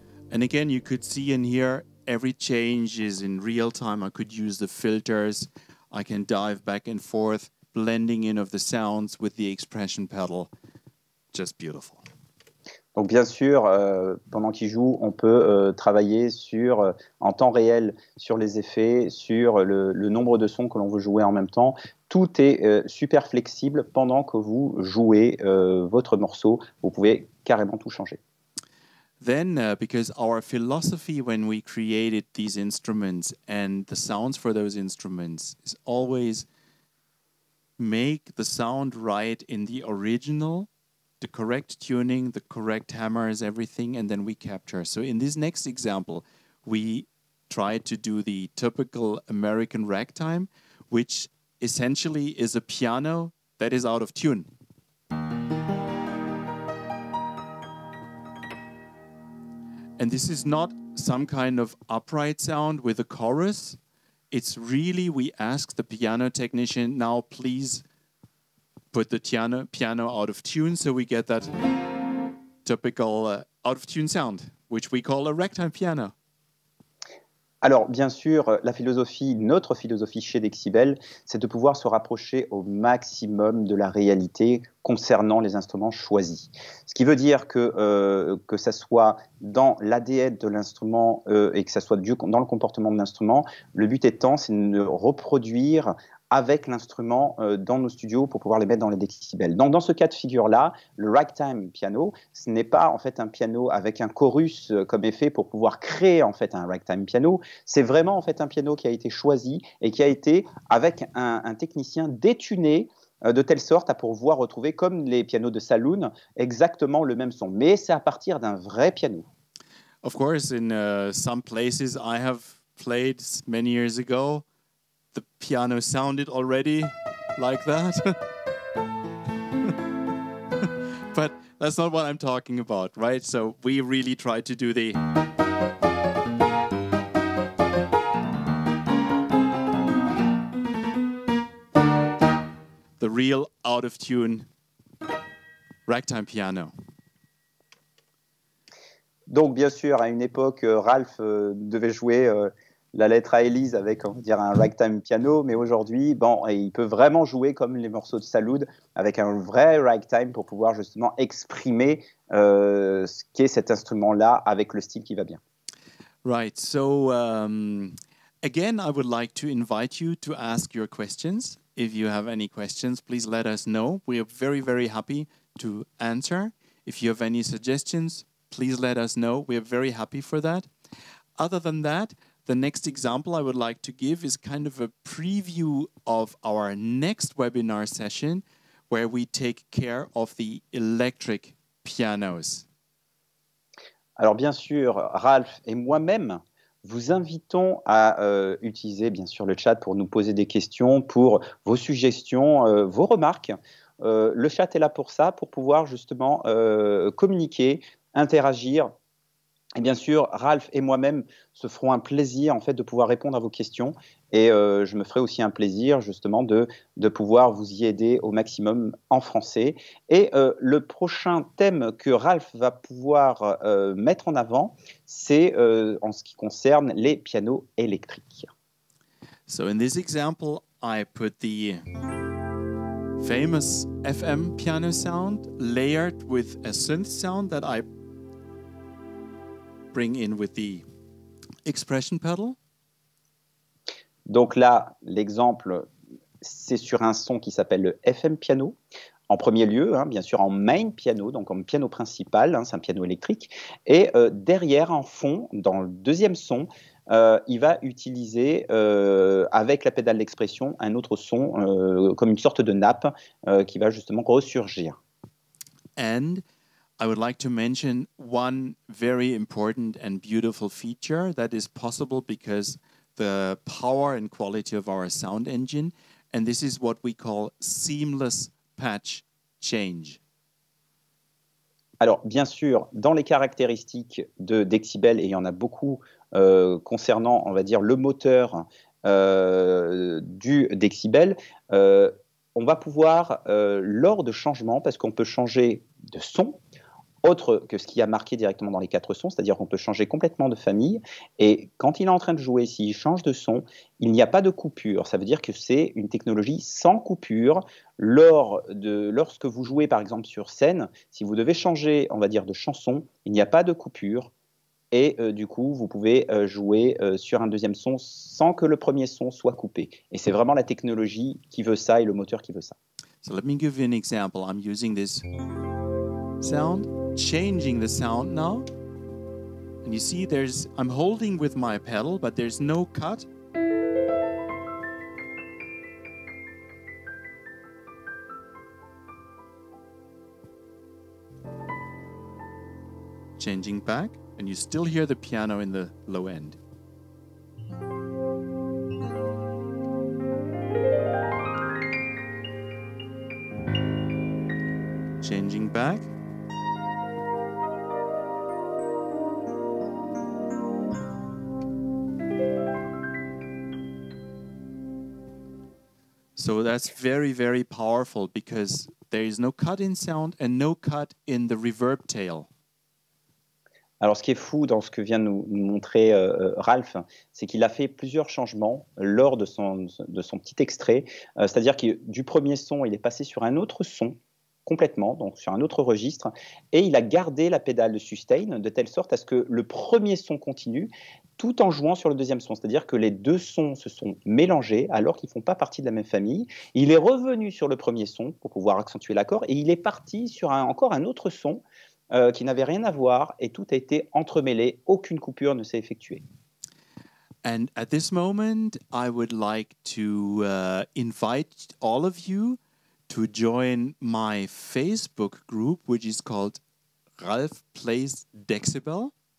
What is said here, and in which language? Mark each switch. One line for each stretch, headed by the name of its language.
English: And again, you could see and hear every change is in real time. I could use the filters. I can dive back and forth, blending in of the sounds with the expression pedal. Just beautiful.
French: Donc bien sûr, pendant qu'il joue, on peut travailler sur en temps réel sur les effets, sur le nombre de sons que l'on veut jouer en même temps. Tout est super flexible pendant que vous jouez votre morceau. Vous pouvez carrément tout changer.
English: Then, because our philosophy when we created these instruments and the sounds for those instruments is always make the sound right in the original, the correct tuning, the correct hammers, everything, and then we capture. So in this next example, we try to do the typical American ragtime, which essentially is a piano that is out of tune. And this is not some kind of upright sound with a chorus. It's really, we ask the piano technician, now please put the piano out of tune so we get that typical out of tune sound, which we call a ragtime piano.
French: Alors, bien sûr, la philosophie, notre philosophie chez Dexibel, c'est de pouvoir se rapprocher au maximum de la réalité concernant les instruments choisis. Ce qui veut dire que ça soit dans l'ADN de l'instrument et que ça soit dans le comportement de l'instrument, le but étant, c'est de reproduire avec l'instrument dans nos studios pour pouvoir les mettre dans les décibels. Donc dans ce cas de figure-là, le ragtime piano, ce n'est pas en fait un piano avec un chorus comme effet pour pouvoir créer en fait un ragtime piano, c'est vraiment en fait un piano qui a été choisi et qui a été avec un technicien détuné de telle sorte à pouvoir retrouver comme les pianos de saloon exactement le même son. Mais c'est à partir d'un vrai piano.
English: Of course, in some places I have played many years ago, the piano sounded already like that. But that's not what I'm talking about, right? So we really try to do the... the real out-of-tune ragtime piano.
French: Donc, bien sûr, à une époque, Ralph devait jouer la lettre à Elise avec, on va dire, un ragtime piano. Mais aujourd'hui, bon, il peut vraiment jouer comme les morceaux de Saloud avec un vrai ragtime pour pouvoir justement exprimer ce qu'est cet instrument-là avec le style qui va bien.
English: Right. So, again, I would like to invite you to ask your questions. If you have any questions, please let us know. We are very, very happy to answer. If you have any suggestions, please let us know. We are very happy for that. Other than that, the next example I would like to give is kind of a preview of our next webinar session where we take care of the electric pianos.
French: Alors bien sûr, Ralph et moi-même vous invitons à utiliser bien sûr le chat pour nous poser des questions, pour vos suggestions, vos remarques. Le chat est là pour ça, pour pouvoir justement communiquer, interagir. Et bien sûr, Ralph et moi-même se ferons un plaisir en fait, de pouvoir répondre à vos questions. Et je me ferai aussi un plaisir justement de pouvoir vous y aider au maximum en français. Et le prochain thème que Ralph va pouvoir mettre en avant, c'est en ce qui concerne les pianos électriques.
English: So in this example, I put the famous FM piano sound layered with a synth sound that I bring in with the expression pedal.
French: Donc là, l'exemple, c'est sur un son qui s'appelle le FM piano, en premier lieu, hein, bien sûr, en main piano, donc en piano principal, hein, c'est un piano électrique. Et derrière, en fond, dans le deuxième son, il va utiliser, avec la pédale d'expression, un autre son, comme une sorte de nappe, qui va justement ressurgir.
English: And I would like to mention one very important and beautiful feature that is possible because the power and quality of our sound engine, and this is what we call seamless patch change.
French: Alors, bien sûr, dans les caractéristiques de Dexibel, et il y en a beaucoup concernant, on va dire, le moteur du Dexibel, on va pouvoir, lors de changement, parce qu'on peut changer de son, autre que ce qui a marqué directement dans les quatre sons, c'est-à-dire qu'on peut changer complètement de famille. Et quand il est en train de jouer, s'il change de son, il n'y a pas de coupure. Ça veut dire que c'est une technologie sans coupure. Lorsque vous jouez, par exemple, sur scène, si vous devez changer, on va dire, de chanson, il n'y a pas de coupure. Et du coup, vous pouvez jouer sur un deuxième son sans que le premier son soit coupé. Et c'est vraiment la technologie qui veut ça et le moteur qui veut ça.
English: So let me give you an example. I'm using this sound, changing the sound now, and you see there's I'm holding with my pedal, but there's no cut. Changing back, and you still hear the piano in the low end. Changing back. So that's very, very powerful because there is no cut in sound and no cut in the reverb tail.
French: Alors, ce qui est fou dans ce que vient nous montrer Ralph, c'est qu'il a fait plusieurs changements lors de son petit extrait. C'est-à-dire que du premier son, il est passé sur un autre son complètement, donc sur un autre registre, et il a gardé la pédale de sustain de telle sorte à ce que le premier son continue tout en jouant sur le deuxième son, c'est-à-dire que les deux sons se sont mélangés alors qu'ils ne font pas partie de la même famille. Il est revenu sur le premier son pour pouvoir accentuer l'accord et il est parti sur encore un autre son qui n'avait rien à voir et tout a été entremêlé, aucune coupure ne s'est effectuée.
English: And at this moment, I would like to invite all of you to join my Facebook group, which is called Ralph Plays Dexibel.